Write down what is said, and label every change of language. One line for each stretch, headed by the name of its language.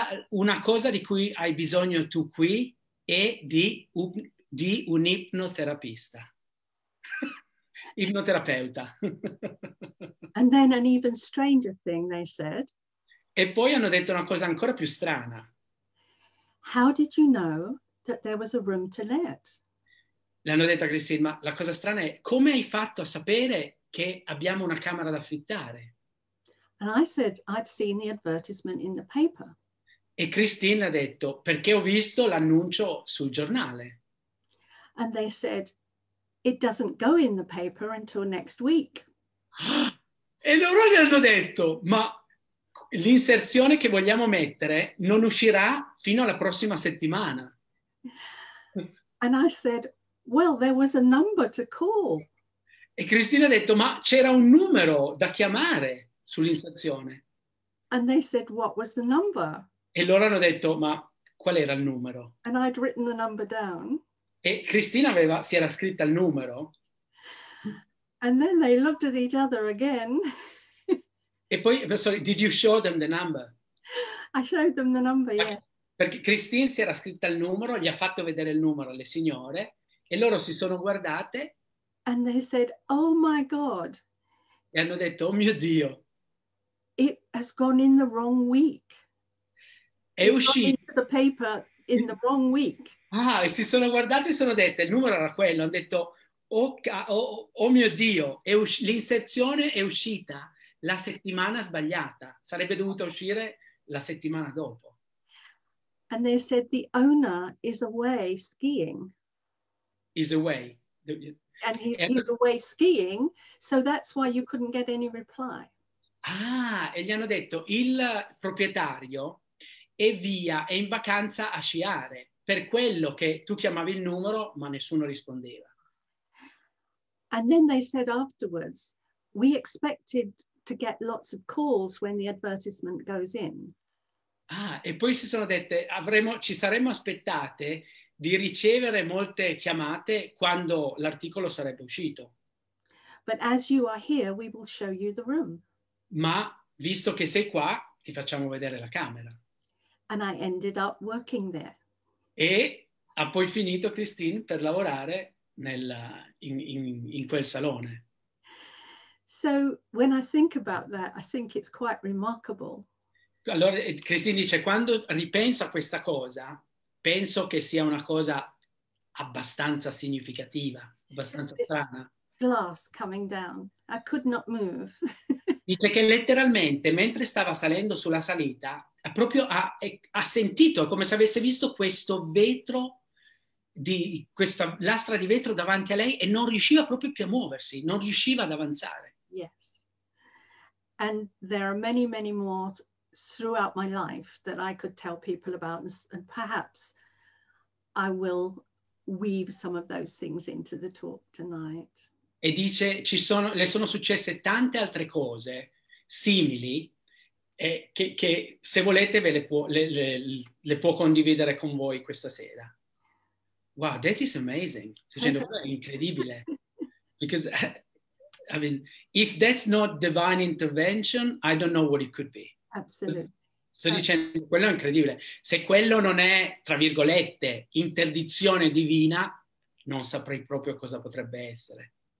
Italian: Una cosa di cui hai bisogno tu qui è di un ipnoterapista. Ipnoterapeuta.
English: And then an even stranger thing they said.
Italian: E poi hanno detto una cosa ancora più strana.
English: How did you know that there was a room to let?
Italian: Le hanno detto a Christine, ma la cosa strana è come hai fatto a sapere che abbiamo una camera da affittare?
English: And I said, I'd seen the advertisement in the paper.
Italian: E Christine ha detto, perché ho visto l'annuncio sul giornale.
English: And they said, it doesn't go in the paper until next week.
Italian: E loro gli hanno detto, ma l'inserzione che vogliamo mettere non uscirà fino alla prossima settimana.
English: And I said, well, there was a number to call.
Italian: E Cristina ha detto, ma c'era un numero da chiamare sull'inserzione.
English: And they said, what was the number?
Italian: E loro hanno detto, ma qual era il numero?
English: And I'd written the number down.
Italian: E Cristina aveva, si era scritta il numero.
English: And then they looked at each other again.
Italian: E poi,
English: sorry, did you show them the number? I showed them the number, yeah.
Italian: Perché Christine si era scritta il numero, gli ha fatto vedere il numero alle signore, e loro si sono guardate.
English: And they said, oh my God.
Italian: E hanno detto, oh mio Dio.
English: It has gone in the wrong week.
Italian: È
English: It's
Italian: uscito.
English: Gone into the paper in the wrong week.
Italian: Ah, e si sono guardate e sono dette, il numero era quello, hanno detto, oh mio Dio, l'inserzione è uscita la settimana sbagliata, sarebbe dovuta uscire la settimana dopo.
English: And they said the owner is away skiing. Is away. And he's away skiing, so that's why you couldn't get any reply.
Italian: Ah, e gli hanno detto il proprietario è via, è in vacanza a sciare, per quello che tu chiamavi il numero ma nessuno rispondeva.
English: And then they said afterwards, we expected to get lots of calls when the advertisement goes in.
Italian: Ah, e poi si sono dette, ci saremmo aspettate di ricevere molte chiamate quando l'articolo sarebbe uscito.
English: But as you are here, we will show you the room.
Italian: Ma visto che sei qua, ti facciamo vedere la camera.
English: And I ended up working there.
Italian: E ha poi finito Christine per lavorare in quel salone.
English: So when I think about that, I think it's quite remarkable.
Italian: Allora, Christine dice, quando ripenso a questa cosa, penso che sia una cosa abbastanza significativa, abbastanza strana.
English: Glass coming down. I could not move.
Italian: Dice che letteralmente, mentre stava salendo sulla salita, ha sentito, come se avesse visto questo vetro, questa lastra di vetro davanti a lei e non riusciva proprio più a muoversi, non riusciva ad avanzare.
English: Yes. And there are many, many more throughout my life that I could tell people about, and perhaps I will weave some of those things into the talk tonight.
Italian: E dice le sono successe tante altre cose simili che se volete le può condividere con voi questa sera.
English: Wow, that is amazing.
Italian: Dicendo, è incredibile.
English: Because I mean, if that's not divine intervention, I don't know what it could be. Absolutely.
Italian: Sto dicendo, quello è incredibile. Se quello non è, tra virgolette, interdizione divina, non saprei proprio cosa potrebbe essere.